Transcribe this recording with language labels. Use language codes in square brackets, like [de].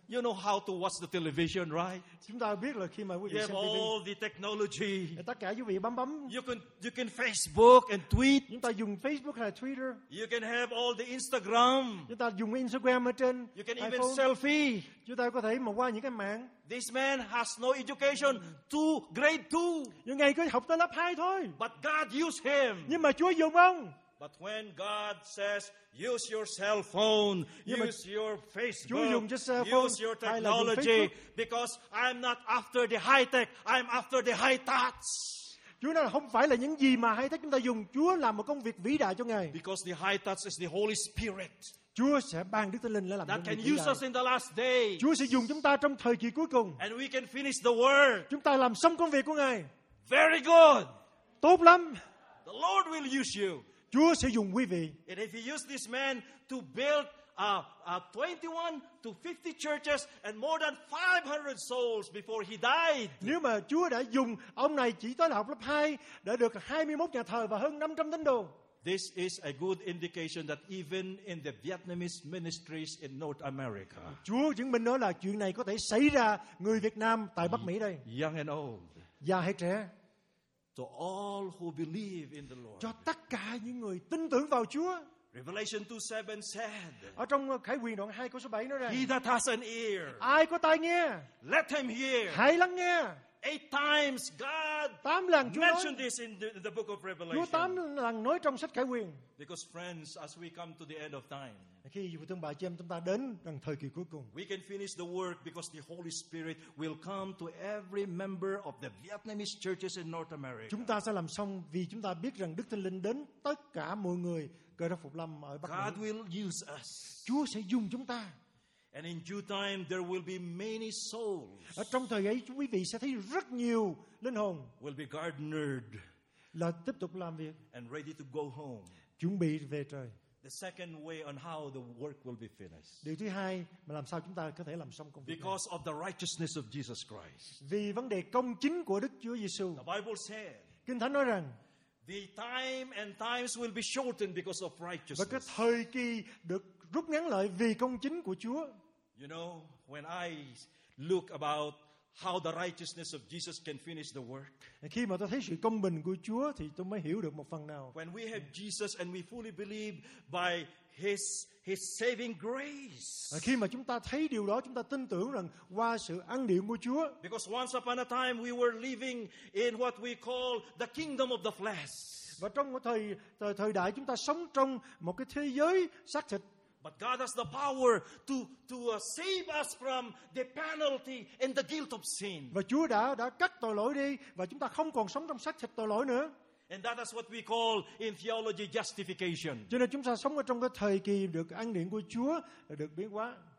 [en] You know how to watch the television, right? [vi] Chúng ta biết là khi mà quý vị xem TV. [en] All the technology. [vi] Tất cả quý vị bấm bấm. [en] You can Facebook and tweet. [vi] Chúng ta dùng Facebook hay Twitter. [en] You can have all the Instagram. [vi] Chúng ta dùng Instagram ở trên. [en] You can even selfie. [vi] Chúng ta có thể mà qua những cái mạng. [en] This man has no education, grade 2. [vi] Nhưng ngày cứ học tới lớp 2 thôi. [en] But God used him. [vi] Nhưng mà Chúa dùng ông. [en] But when God says, use your cell phone, use your Facebook, use your technology, because I'm not after the high tech, I'm after the high touch. [vi] Chúa nói là không phải là những gì mà high tech chúng ta dùng, Chúa làm một công việc vĩ đại cho Ngài. [en] Because the high touch is the Holy Spirit. [vi] Chúa sẽ ban Đức Thánh Linh để làm [en] that can use us in the last day. [vi] Chúa sẽ dùng chúng ta trong thời kỳ cuối cùng. [en] And we can finish the word. [vi] Chúng ta làm xong công việc của Ngài. [en] Very good. [vi] Tốt lắm. [en] The Lord will use you. [vi] Chúa sẽ dùng quý vị. [en] And if he used this man to build 21 to 50 churches and more than 500 souls before he died. [vi] Nếu mà Chúa đã dùng ông này chỉ tới học lớp 2 để được 21 nhà thờ và hơn 500 tín đồ. [en] This is a good indication that even in the Vietnamese ministries in North America. [vi] Chúa chứng minh nói là chuyện này có thể xảy ra người Việt Nam tại Bắc Mỹ đây. [en] Young and old. [vi] Già hay trẻ. [en] To all who believe in the Lord. [vi] Cho tất cả những người tin tưởng vào Chúa. [en] Revelation 2:7 said. [vi] Ở trong Khải Huyền đoạn 2 câu số 7 nói rằng. [en] He that has an ear. [vi] Ai có tai nghe. [en] Let him hear. [vi] Hãy lắng nghe. [en] 8 times God. [vi] 8 lần Chúa [en] mentioned [vi] nói, [en] this in the book of Revelation. [vi] Chúa 8 lần nói trong sách Khải Huyền. [en] Because friends, as we come to the end of time. [vi] Khi thương bà chị em chúng ta đến gần thời kỳ cuối cùng. [en] We can finish the work because the Holy Spirit will come to every member of the Vietnamese churches in North America. [vi] Chúng ta sẽ làm xong vì chúng ta biết rằng Đức Thánh Linh đến tất cả mọi người Cơ Đốc Phục Lâm ở Bắc Mỹ. [en] God will use us. [vi] Chúa sẽ dùng chúng ta. [en] And in due time there will be many souls. [vi] Ở trong thời ấy quý vị sẽ thấy rất nhiều linh hồn [en] will be gardened [vi] là tiếp tục làm việc [en] and ready to go home. [vi] Chuẩn bị về trời. [en] The second way on how the work will be finished. [vi] Điều thứ hai mà làm sao chúng ta có thể làm xong công việc. [en] Because of the righteousness of Jesus Christ. [vi] Vì vấn đề công chính của Đức Chúa Giêsu. [en] The Bible said. [vi] Kinh Thánh nói rằng. [en] The time and times will be shortened because of righteousness. [vi] Và cái thời kỳ được rút ngắn lại vì công chính của Chúa. [en] You know, when I look about how the righteousness of Jesus can finish the work. [vi] Khi mà tôi thấy sự công bình của Chúa thì tôi mới hiểu được một phần nào. [en] When we have Jesus and we fully believe by His saving grace. [vi] Khi mà chúng ta thấy điều đó, chúng ta tin tưởng rằng qua sự ân điển của Chúa. [en] Because once upon a time we were living in what we call the kingdom of the flesh. [vi] Và trong một thời đại chúng ta sống trong một cái thế giới xác thịt. [en] But God has the power to save us from the penalty and the guilt of sin. [vi] Và Chúa đã cắt tội lỗi đi và chúng ta không còn sống trong xác thịt tội lỗi nữa. [en] And that is what we call in theology justification. [vi] Cho nên chúng ta sống ở trong cái thời kỳ được ân điển của Chúa được biến hóa.